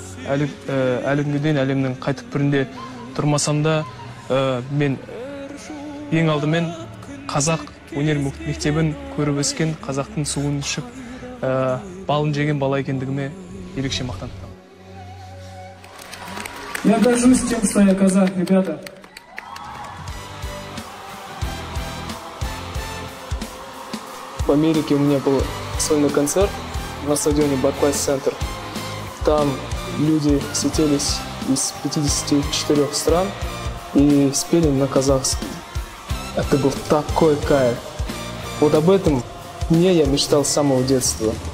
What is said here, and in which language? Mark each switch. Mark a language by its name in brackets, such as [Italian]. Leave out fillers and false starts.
[Kazakh] Әлі күнгеден әлемнің қайтып бірінде тұрмасам да, мен ең алдымен қазақ өнер мектебін көріп өскен, қазақтың суын ішіп, балын жеген бала екендігіме ерекше мақтанамын. [Russian] Я горжусь тем, что я казах, ребята. В Америке у меня был сольный концерт на стадионе Barclays Center. Там люди светились из 54 стран и спели на казахском. Это был такой кайф. Вот об этом мне я мечтал с самого детства.